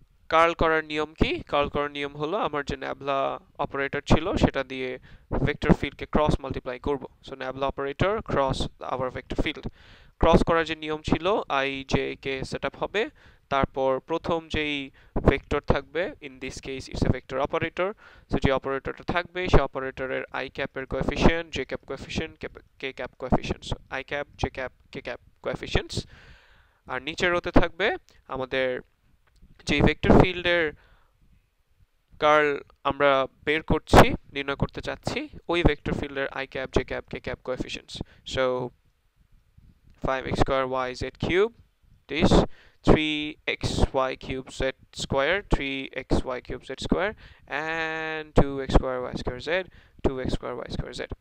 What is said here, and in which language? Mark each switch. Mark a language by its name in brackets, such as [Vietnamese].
[Bangla] Curl করার নিয়ম কি? Curl করার নিয়ম হলো আমার যে nabla operator ছিল সেটা দিয়ে vector field কে cross multiply করব. [English] So nabla operator cross our vector field. Cross [Bangla] করার যে নিয়ম ছিল [English] I, j, k setup হবে. [Bangla] তারপর প্রথম যেই vector থাকবে, [English] in this case it's a vector operator. [Bangla] So যে operator টা থাকবে, সে operator এর I cap এর coefficient, j cap coefficient, k cap coefficient. [English] So I cap, j cap, k cap coefficients. [Bangla] আর নিচের রোতে থাকবে আমাদের যে ভেক্টর ফিল্ডের কার্ল আমরা বের করছি নির্ণয় করতে চাচ্ছি ওই ভেক্টর ফিল্ডের I cap J cap K cap কোএফিশিয়েন্টস so 5x square y z cube this 3x y cube z square 3x y cube z square and 2x square y square z 2x square y square z